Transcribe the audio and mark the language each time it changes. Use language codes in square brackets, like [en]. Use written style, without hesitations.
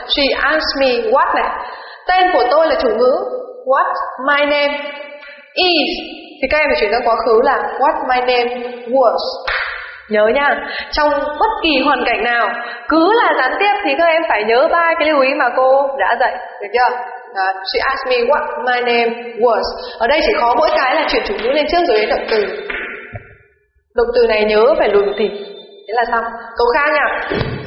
[en] She asked me what [vi] này. Tên của tôi là chủ ngữ. [en] What my name is. [vi] Thì các em phải chuyển sang quá khứ là [en] what my name was. [vi] Nhớ nha, trong bất kỳ hoàn cảnh nào, cứ là gián tiếp thì các em phải nhớ ba cái lưu ý mà cô đã dạy, được chưa? [en] She asked me what my name was. [vi] Ở đây chỉ khó mỗi cái là chuyển chủ ngữ lên trước rồi đến động từ. Động từ này nhớ phải lùi một tí. Thế là xong. Câu khác nha.